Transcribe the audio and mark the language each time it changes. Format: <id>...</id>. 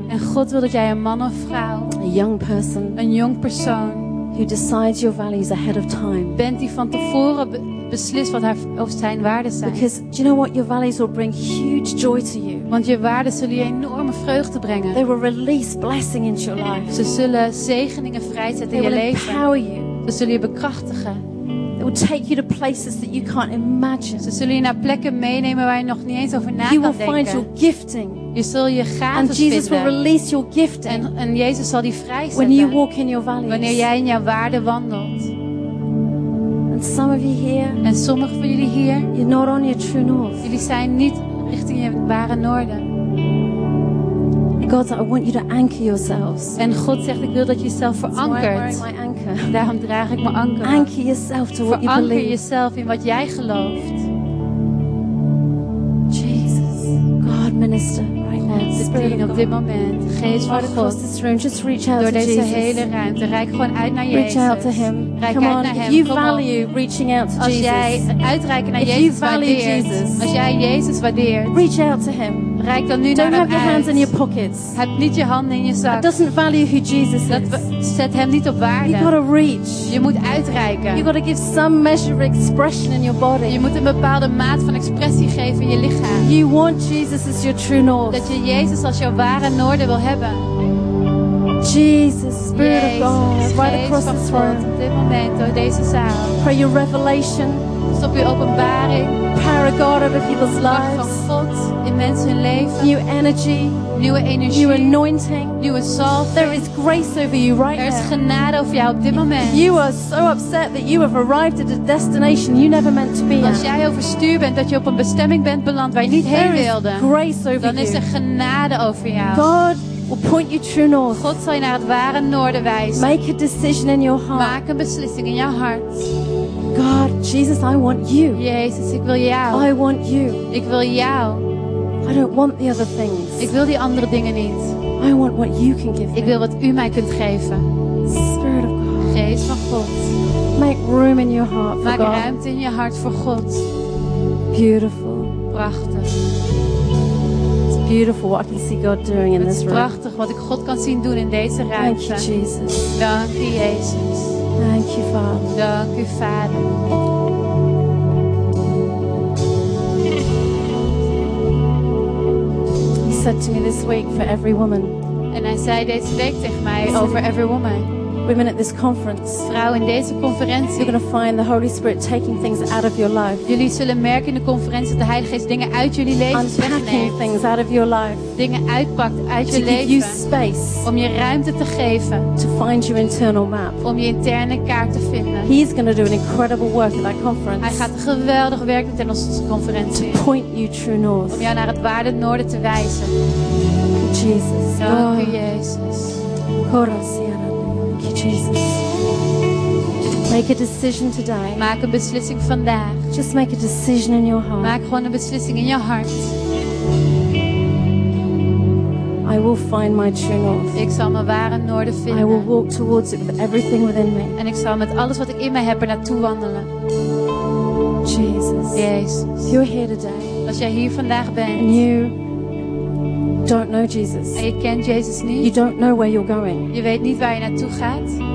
<nl>En God wil dat jij een man of vrouw.</nl> <en>A young person.</en> <nl>Een jong persoon.</nl> <en>Who decides your values ahead of time.</en> <nl>Bent die van tevoren beslist wat haar of zijn waarden zijn.</nl> <en>Because do you know what? Your values will bring huge joy to you.</en> <nl>Want je waarden zullen je enorme vreugde brengen.</nl> <en>They will release blessing into your life.</en> <nl>Ze zullen zegeningen vrijzetten in je leven.</nl> <en>They will empower you.</en> <nl>Ze zullen je bekrachtigen. It will take you to places that you can't imagine. Ze zullen je naar plekken meenemen waar je nog niet eens over na kan denken.</nl> <en>You will find your gifting.</en> <nl>Je zult je gaven vinden.</nl> <en>And Jesus will release your gifting.</en> <nl>En Jezus zal die vrijzetten.</nl> <en>When you walk in your values.</en> <nl>Wanneer jij in jouw waarden wandelt.</nl> <en>And some of you here.</en> <nl>En sommige van jullie hier.</nl> <en>You're not on your true north.</en> <nl>Jullie zijn niet richting je ware noorden.</nl> <en>God, I want you to anchor yourselves.</en> <nl>En God zegt, ik wil dat je jezelf verankert. Daarom draag ik mijn anker.</nl> <en>Anchor yourself to what you believe.</en> <nl>Veranker jezelf in wat jij gelooft.</nl> <en>Jesus, God minister right now. Spirit of God.</en> <nl>Op dit moment, Geest van God.</nl> <en>Just reach out to Jesus.</en> <nl>Door deze hele ruimte, reik gewoon uit naar Jezus.</nl> <en>Reach out to Him.</en> <nl>Reik</nl> <en>come</en> <nl>uit</nl> <en>on,</en> <nl>naar Hem.</nl> <en>If you value reaching out to Jesus.</en> <nl>Als jij uitreiken naar</nl> <en>if</en> <nl>Jezus waardeert.</nl> <en>Jesus.</en> <nl>Als jij Jezus waardeert.</nl> <en>Reach out to Him.</en> <nl>Rijk dan nu</nl> <en>don't</en> <nl>naar</nl> <en>have your</en> <nl>uit.</nl> <en>Hands in your pockets.</en> <nl>Heb niet je handen in je zak.</nl> <en>It doesn't value who Jesus is.</en> <nl>Dat zet hem niet op waarde.</nl> <en>You gotta reach.</en> <nl>Je moet uitreiken.</nl> <en>You gotta give some measure of expression in your body.</en> <nl>Je moet een bepaalde maat van expressie geven in je lichaam.</nl> <en>You want Jesus as your true north.</en> <nl>Dat je Jezus als jouw ware noorden wil hebben.</nl> <en>Jesus, Spirit of God,</en> <nl>Geest</nl> <en>right across</en> <nl>van</nl> <en>this room.</en> <nl>God, op dit moment door deze zaal.</nl> <en>Pray your revelation.</en> <nl>Stop je openbaring.</nl> <en>Power of God over people's lives.</en> <nl>Van God in mensen hun leven.</nl> <en>New energy.</en> <nl>Nieuwe energie.</nl> <en>New anointing.</en> <nl>Nieuwe zalf.</nl> <en>There is grace over you right now.</en> <nl>Er is genade over jou op dit moment.</nl> <en>You are so upset that you have arrived at a destination you never meant to be at.</en> <nl>Als jij overstuur bent dat je op een bestemming bent beland waar je niet heen wilde.</nl> <en>There is grace over you.</en> <nl>Dan is er genade over jou.</nl> <en>God will point you true north.</en> <nl>God zal je naar het ware noorden wijzen.</nl> <en>Make a decision in your heart.</en> <nl>Maak een beslissing in jouw hart.</nl> <en>God, Jesus, I want you.</en> <nl>Jezus, ik wil jou.</nl> <en>I want you.</en> <nl>Ik wil jou.</nl> <en>I don't want the other things.</en> <nl>Ik wil die andere dingen niet.</nl> <en>I want what you can give.</en> <nl>Ik wil wat u mij kunt geven.</nl> <en>Spirit of God.</en> <nl>Geest van God.</nl> <en>Make room in your heart for God.</en> <nl>Maak ruimte in je hart voor God.</nl> <en>Beautiful.</en> <nl>Prachtig.</nl> <en>It's beautiful what I can see God doing in this room.</en> <nl>Het is prachtig wat ik God kan zien doen in deze ruimte.</nl> <en>Thank you, Jesus.</en> <nl>Dank u, Jezus.</nl> <en>Thank you, Father.</en> <nl>Dank u, Vader.</nl> <en>He said to me this week for every woman.</en> <nl>En hij zei deze week tegen mij over</nl> <en>every woman. Women at this conference.</en> <nl>Vrouwen in deze conferentie.</nl> <en>You're going to find the Holy Spirit taking things out of your life.</en> <nl>Jullie zullen merken in de conferentie dat de Heilige Geest dingen uit jullie leven wegneemt.</nl> <en>Unpacking things out of your life.</en> <nl>Dingen uitpakt uit je leven.</nl> <en>To give you space.</en> <nl>Om je ruimte te geven.</nl> <en>To find your internal map.</en> <nl>Om je interne kaart te vinden.</nl> <en>He's going to do an incredible work at that conference.</en> <nl>Hij gaat geweldig werk doen in onze conferentie.</nl> <en>To point you true north.</en> <nl>Om jou naar het ware noorden te wijzen.</nl> <en>Jesus.</en> <nl>Dank u, Jezus.</nl> <en>Koros, Jesus. Make a decision today.</en> <nl>Maak een beslissing vandaag.</nl> <en>Just make a decision in your heart.</en> <nl>Maak gewoon een beslissing in je hart.</nl> <en>I will find my true north.</en> <nl>Ik zal mijn ware noorden vinden.</nl> <en>I will walk towards it with everything within me.</en> <nl>En ik zal met alles wat ik in mij heb er naartoe wandelen.</nl> <en>Jesus.</en> <nl>Jezus.</nl> <en>You're here today.</en> <nl>Als jij hier vandaag bent.</nl> <en>And you don't know Jesus.</en> <nl>En je kent Jezus niet.</nl> <en>You don't know where you're going.</en> <nl>Je weet niet waar je naartoe gaat.</nl>